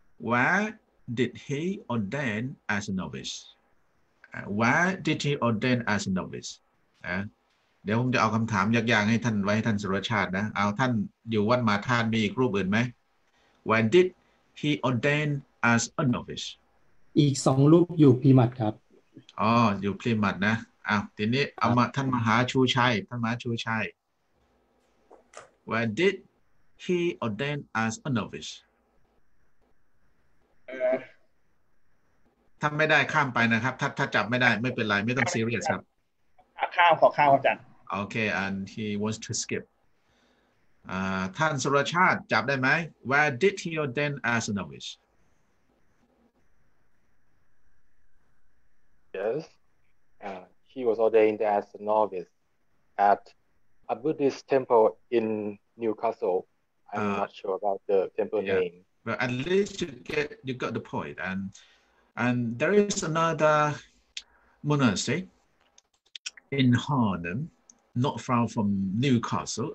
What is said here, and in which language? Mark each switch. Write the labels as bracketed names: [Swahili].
[English] Where did he ordain as a novice? Where did he ordain as a novice? [Thai] เดี๋ยวผมจะเอาคำถามยากๆให้ท่านไว้ให้ท่านสุรชาตินะเอาท่านอยู่วัดมาท่านมีอีกรูปอื่นไหม [English] When did he ordain as a novice? [Thai] อีก2รูปอยู่พิมัดครับ อ๋ออยู่พิมัดนะทีนี้เอามาท่านมหาชูชัยท่านมหาชูชัย [English] When did he ordain as a novice? [Thai] ถ้าไม่ได้ข้ามไปนะครับถ้าจับไม่ได้ไม่เป็นไรไม่ต้องซีเรียสครับ ข้ามขอข้ามอาจารย์โอเค [English] and he wants to skip [Thai] ท่านสุรชาติจับได้ไหม [English] Where did he ordain as a novice Yes he was ordained as a novice at a Buddhist temple in Newcastle I'm not sure about the temple name But at least you got the point. And there is another monastery in Harlem, not far from Newcastle.